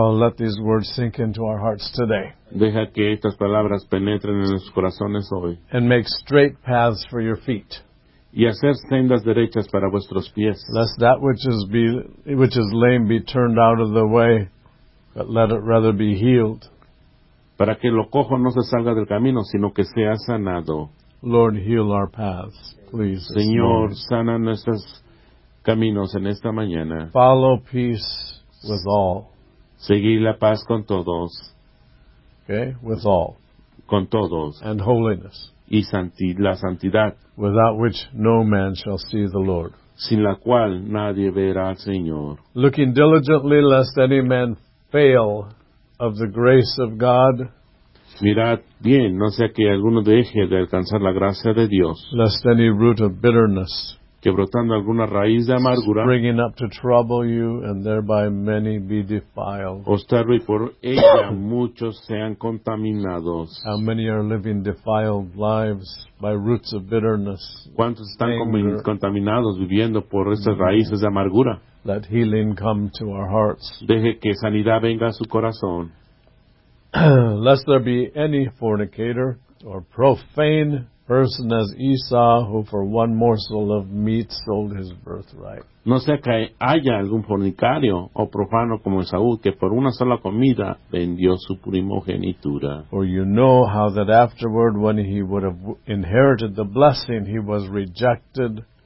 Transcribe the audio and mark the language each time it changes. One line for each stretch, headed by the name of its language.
English: Okay. Oh, let these words sink into our hearts today.
Spanish: Deja que estas palabras penetren en nuestros corazones hoy.
English: And make straight paths for your feet.
Spanish: Y hacer sendas derechas para vuestros pies.
English: Lest that which is lame be turned out of the way, but let it rather be healed.
Spanish: Para que lo cojo no se salga del camino, sino que sea sanado.
English: Lord, heal our paths, please.
Spanish: Señor, sana nuestros caminos en esta mañana.
English: Follow peace with all.
Spanish: Seguir la paz con todos.
English: Okay, with all.
Spanish: Con todos.
English: And holiness.
Spanish: Y la santidad.
English: Without which no man shall see the Lord.
Spanish: Sin la cual nadie verá al Señor.
English: Looking diligently lest any man fail of the grace of God.
Spanish: Mirad bien, no sea que alguno deje de alcanzar la gracia de Dios.
English: Lest any root of bitterness,
Spanish: que brotando alguna raíz de amargura,
English: springing up to trouble you, and thereby many be defiled.
Spanish: Ostarlo y por ella muchos sean contaminados.
English: How many are living defiled lives by roots of bitterness?
Spanish: ¿Cuántos están contaminados viviendo por esas raíces de amargura?
English: Let healing come to our hearts.
Spanish: Deje que sanidad venga a su corazón.
English: Lest there be any fornicator or profane person as Esau, who for one morsel of meat sold his birthright.
Spanish: No sea que haya algún fornicario o profano como Esaú, que por una sola comida vendió su primogenitura.
English: For you know how that afterward, when he would have inherited the blessing, he was rejected.